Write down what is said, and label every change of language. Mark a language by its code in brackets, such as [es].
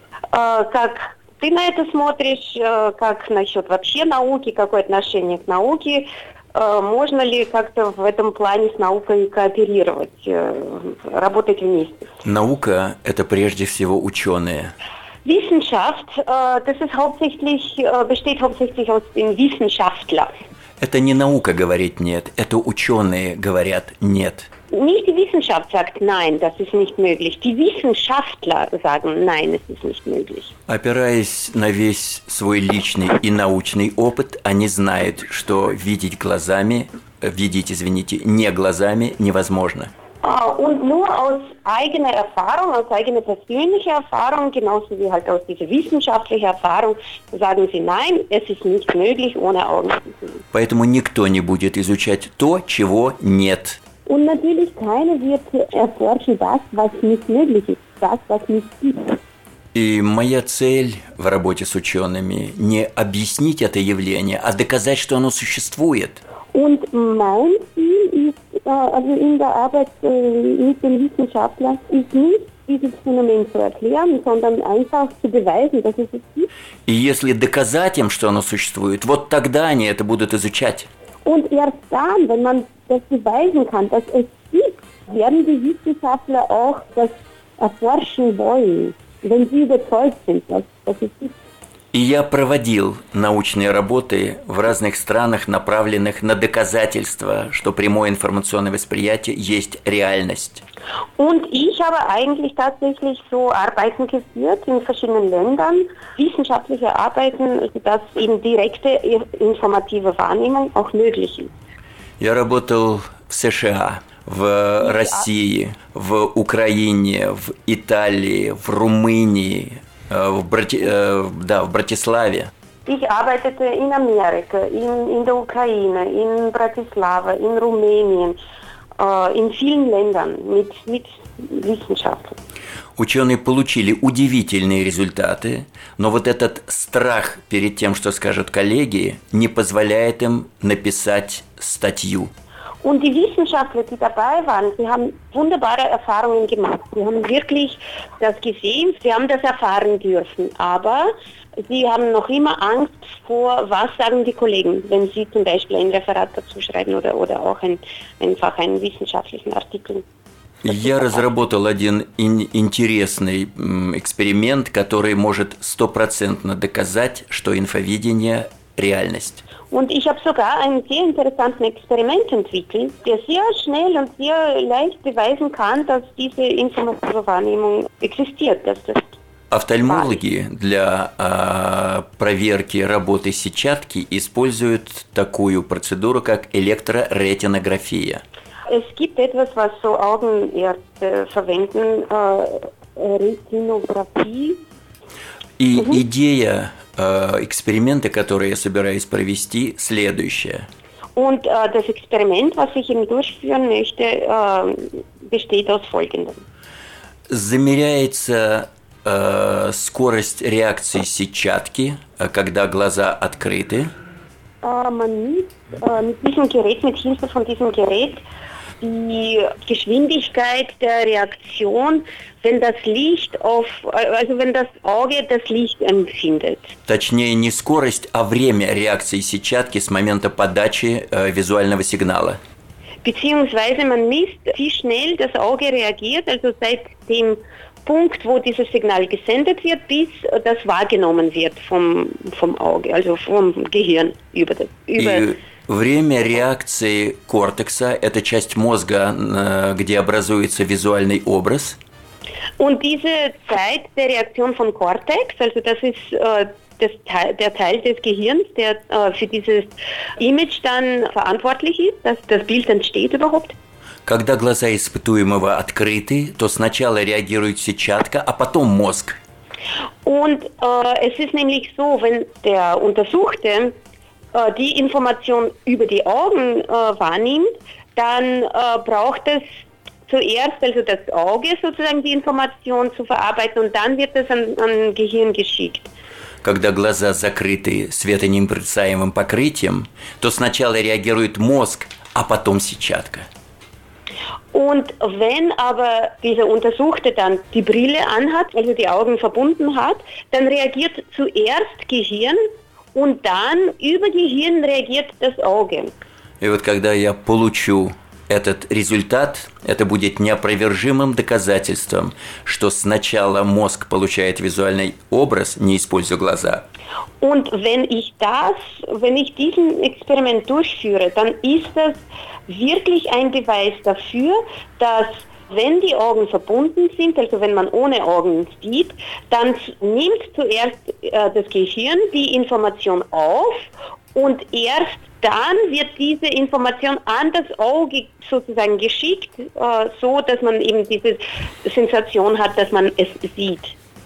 [ru] Как ты на это смотришь, как насчет вообще науки, какое отношение к науке, можно ли как-то в этом плане с наукой кооперировать, работать вместе? Наука – это прежде всего ученые. [de] Wissenschaft, das ist hauptsächlich, besteht hauptsächlich aus den Wissenschaftlern. [ru] Это не наука говорит «нет», это ученые говорят «нет». [de] Nicht die Wissenschaft sagt «nein, das ist nicht möglich». Die Wissenschaftler sagen «nein, es ist nicht möglich». [ru] Опираясь на весь свой личный и научный опыт, они знают, что видеть глазами, видеть, извините, не глазами невозможно. [de] Und nur aus eigener Erfahrung, aus eigener persönlicher Erfahrung, genauso wie halt aus dieser wissenschaftlichen Erfahrung, sagen sie nein, es ist nicht möglich ohne Augen zu sehen. [ru] Поэтому никто не будет изучать то, чего нет. [de] Und natürlich keiner wird erforschen das, was nicht möglich ist, das, was nicht gibt. [ru] И моя цель в работе с учеными не объяснить это явление, а доказать, что оно существует. [de] Und mein Ziel ist, also in der Arbeit mit den Wissenschaftlern, ist nicht dieses Phänomen zu erklären, sondern einfach zu beweisen, dass es gibt. [ru] И если доказать им, что оно существует, вот тогда они это будут изучать. [de] Und erst dann, wenn man das beweisen kann, dass es gibt, werden die Wissenschaftler auch das erforschen wollen, wenn sie überzeugt sind, dass es gibt. [ru] И я проводил научные работы в разных странах, направленных на доказательство, что прямое информационное восприятие есть реальность. [de] Und ich habe eigentlich tatsächlich so Arbeiten geführt in verschiedenen Ländern, wissenschaftliche Arbeiten, dass eben direkte informative Wahrnehmung auch möglich ist. [ru] Я работал в США, в России, в Украине, в Италии, в Румынии. В Братиславе. [de] Ich arbeitete in Amerika, in der Ukraine, in Bratislava, in Rumänien, in vielen Ländern mit Wissenschaftlern. [ru] Ученые получили удивительные результаты, но вот этот страх перед тем, что скажут коллеги, не позволяет им написать статью. [de] Und die Wissenschaftler, die dabei waren, sie haben wunderbare Erfahrungen gemacht. Sie haben wirklich das gesehen, sie haben das erfahren dürfen. Aber sie haben noch immer Angst vor, was sagen die Kollegen, wenn sie zum Beispiel ein Referat dazu schreiben oder auch einfach einen wissenschaftlichen Artikel. [ru] Я разработал один интересный эксперимент, который может стопроцентно доказать, что инфовидение – реальность. [de] Und ich habe sogar ein sehr interessantes Experiment entwickelt, der sehr schnell und sehr leicht beweisen kann, dass diese informative Wahrnehmung existiert. Dass das [ru] Офтальмологи для проверки работы сетчатки используют такую процедуру, как электроретинография. [de] Es gibt etwas, was so Augenärzte verwenden, Retinographie. [ru] И идея эксперимента, который я собираюсь провести, следующая. [de] Und das Experiment, was ich eben durchführen möchte, besteht aus folgendem. [ru] Замеряется скорость реакции сетчатки, когда глаза открыты. [de] Mit diesem Gerät, mit Hilfe von diesem Gerät, die Geschwindigkeit der Reaktion, wenn das Licht auf, also wenn das Auge das Licht empfindet. [ru] Точнее, не скорость, а время реакции сетчатки с момента подачи визуального сигнала. [de] Beziehungsweise man misst, wie schnell das Auge reagiert, also seit dem Punkt, wo dieses Signal gesendet wird, bis das wahrgenommen wird vom Auge, also vom Gehirn über das. [ru] Время реакции кортекса – это часть мозга, где образуется визуальный образ. [de] Und diese Zeit der Reaktion von Cortex, also das ist der Teil des Gehirns, der für dieses Image dann verantwortlich ist, dass das Bild entsteht überhaupt. [ru] Когда глаза испытуемого открыты, то сначала реагирует сетчатка, а потом мозг. [de] Und es ist nämlich so, wenn der Untersuchte die Information über die Augen wahrnimmt, dann braucht es zuerst, also das Auge sozusagen, die Information zu verarbeiten und dann wird es an Gehirn geschickt. [ru] Когда глаза закрыты светонепроницаемым покрытием, то сначала реагирует мозг, а потом сетчатка. [de] Und wenn aber dieser Untersuchte dann die Brille anhat, also die Augen verbunden hat, dann reagiert zuerst Gehirn, und dann über Gehirn reagiert das Auge. [ru] И вот когда я получу этот результат, это будет неопровержимым доказательством, что сначала мозг получает визуальный образ, не используя глаза. [de] Und wenn ich das, wenn ich diesen Experiment durchführe, dann ist das wirklich ein Beweis dafür, dass wenn die Augen verbunden sind, also wenn man ohne Augen sieht, dann nimmt zuerst das Gehirn die Information auf und erst dann wird diese Information an das Auge sozusagen geschickt, so dass man eben diese Sensation hat, dass man es sieht.